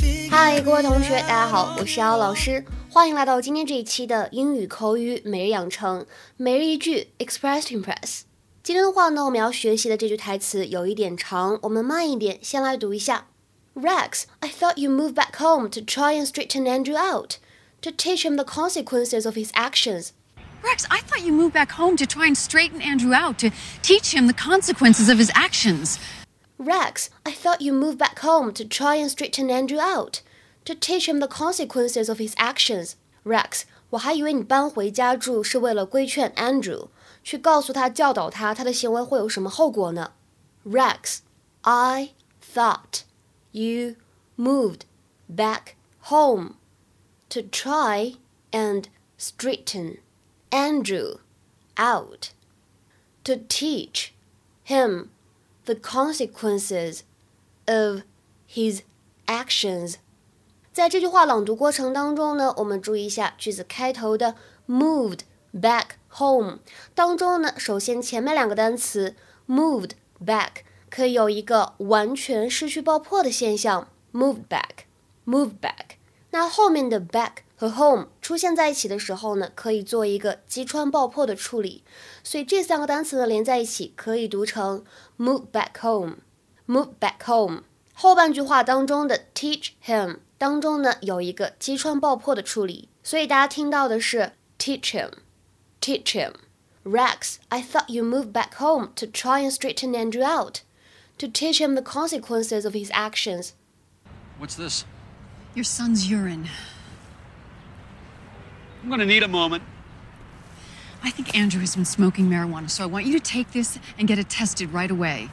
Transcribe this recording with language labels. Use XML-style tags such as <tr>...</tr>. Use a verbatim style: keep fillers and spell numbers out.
<zh>嗨，各位同学，大家好，我是姚老师，欢迎来到今天这一期的英语口语每日养成每日一句 Express to Impress。今天的话呢，我们要学习的这句台词有一点长，我们慢一点，先来读一下。</zh> <en>Rex, I thought you moved back home to try and straighten Andrew out, to teach him the consequences of his actions. Rex, I thought you moved back home to try and straighten Andrew out, to teach him the consequences of his actions. Rex, I thought you moved back home to try and straighten Andrew out, to teach him the consequences of his actions.</en> <zh>Rex, 我还以为你搬回家住是为了规劝 Andrew, 去告诉他教导他他的行为会有什么后果呢。</zh> <en>Rex, I thought you moved back home to try and straighten Andrew out, to teach him. The consequences of his actions.</en> <zh>在这句话朗读过程当中呢，我们注意一下句子开头的 moved back home 当中呢，首先前面两个单词 moved back 可以有一个完全失去爆破的现象 moved back, moved back 那后面的 back 和 home 出现在一起的时候呢，可以做一个击穿爆破的处理，所以这三个单词呢连在一起可以读成</zh> <en>Move back home, move back home.</en> <zh>后半句话当中的 teach him 当中呢有一个击穿爆破的处理，所以大家听到的是</zh> <en>teach him, teach him. Rex, I thought you moved back home to try and straighten Andrew out, to teach him the consequences of his actions. What's this? Your son's urine. I'm going to need a moment. I think Andrew has been smoking marijuana, so I want you to take this and get it tested right away.</en>